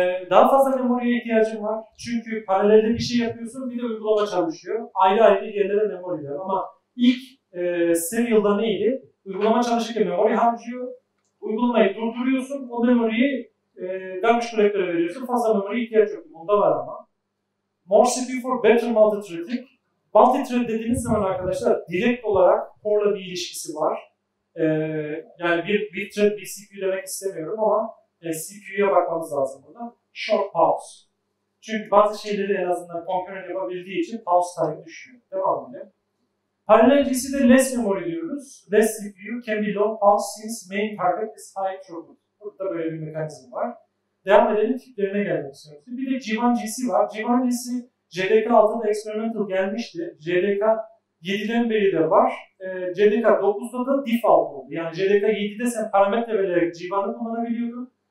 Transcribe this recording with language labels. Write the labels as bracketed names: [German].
[Turkish] Daha fazla memoriye ihtiyacın var. Çünkü paralelde bir şey yapıyorsun, bir de uygulama çalışıyor. Ayrı ayrı yerlere memori veriyor. Ama ilk serial'da neydi? Uygulama çalışırken memori harcıyor. Uygulamayı durduruyorsun, o memoriyi garbage collector'a veriyorsun. Fazla memori ihtiyaç yok. Bunda var ama. [English] More CPU for better multi-threading. [Turkish] Multithread dediğiniz zaman arkadaşlar direkt olarak core'la bir ilişkisi var. Yani bir thread, bir CPU demek istemiyorum ama CPU'ya bakmamız lazım burada. [English] short pause. [Turkish] Çünkü bazı şeyleri en azından kontrol yapabildiği için pause time düşüyor. Devam edelim. Parallelcisi de less memory diyoruz. [English] Less CPU can be long pause since main target is high throughput. [Turkish] Burada böyle bir mekanizm var. Devam edelim, tiplerine gelmek istiyorum. Bir de G1GC var. G1GC JDK 6'da experimental gelmişti. JDK 7'den beri de var. JDK 9'da da default oldu. Yani JDK 7'de sen parametre vererek G1'ı kullanabiliyordun.